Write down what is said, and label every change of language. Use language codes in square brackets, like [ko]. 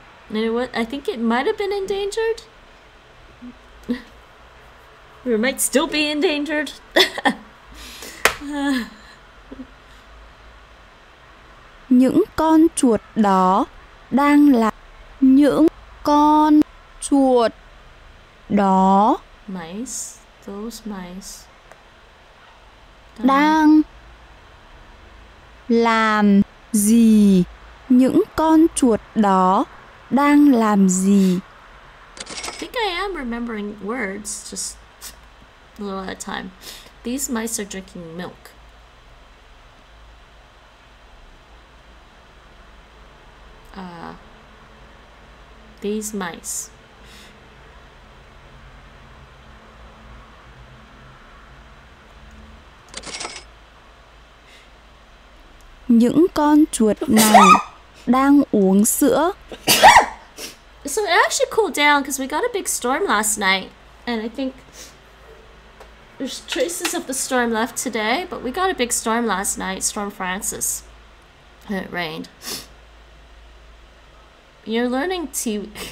[en] I think it might have been endangered. Or it might still be endangered. [vi] Những con chuột đó đang là những con chuột đó [en] mice those mice [vi] đang làm gì những con chuột đó đang làm gì. [en] I think I am remembering words just a little at a time. These mice are drinking milk. These mice. [vi] Những con chuột này đang uống sữa. [en] So it actually cooled down because we got a big storm last night. And I think there's traces of the storm left today. But we got a big storm last night, Storm Francis. And it rained. You're learning to...